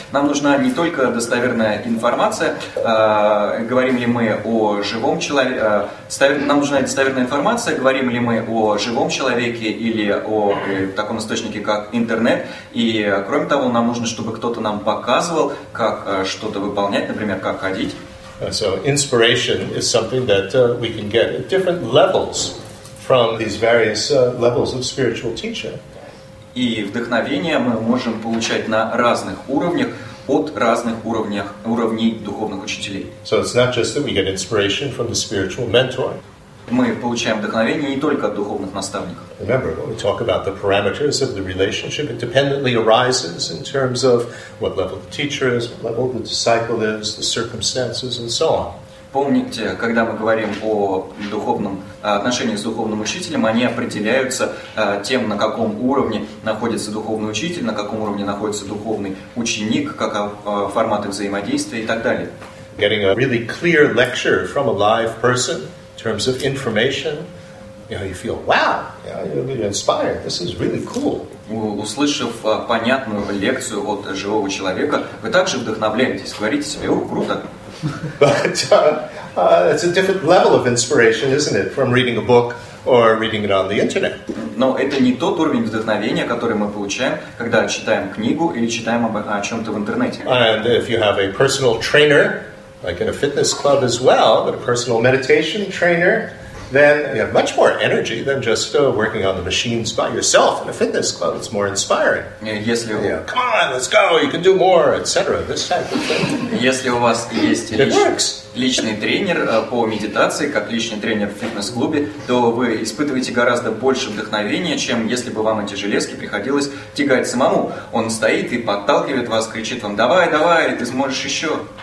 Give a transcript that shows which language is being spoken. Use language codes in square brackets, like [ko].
[ru] Нам нужна не только достоверная информация, говорим ли мы о живом человеке, нам нужна достоверная информация, говорим ли мы о живом человеке или о таком источнике, как интернет. И кроме того, нам нужно, чтобы кто-то нам показывал, как что-то выполнять, например, как ходить. [en] So inspiration is something that we can get at different levels from these various levels of spiritual teacher. [ru] И вдохновение мы можем получать на разных уровнях от разных уровней духовных учителей. [en] So it's not just that we get inspiration from the spiritual mentor. [ru] Мы получаем вдохновение не только от духовных наставников. [en] Remember, when we talk about the parameters of the relationship, it dependently arises in terms of what level the teacher is, what level the disciple is, the circumstances, and so on. [ru] Помните, когда мы говорим о духовном отношении с духовным учителем, они определяются тем, на каком уровне находится духовный учитель, на каком уровне находится духовный ученик, как форматы взаимодействия и так далее. [en] Getting a really clear lecture from a live person in terms of information, you know, you feel, wow, you're inspired. This is really cool. [ru] Услышав понятную лекцию от живого человека, вы также вдохновляетесь, говорите себе, о, круто. [en] But it's a different level of inspiration, isn't it, from reading a book or reading it on the internet? [ru] Но это не тот уровень вдохновения, который мы получаем, когда читаем книгу или читаем о чем-то в интернете. [en] And if you have a personal trainer, like in a fitness club as well, but a personal meditation trainer, then you have much more energy than just working on the machines by yourself in a fitness club. It's more inspiring. [ru] Если [en] you know, come on, let's go, you can do more, etc. This type of thing. [ru] Если у вас есть личный тренер по медитации, как личный тренер в фитнес-клубе, то вы испытываете гораздо больше вдохновения, чем если бы вам эти железки приходилось тягать самому. Он стоит и подталкивает вас, кричит вам, давай, давай, ты сможешь еще.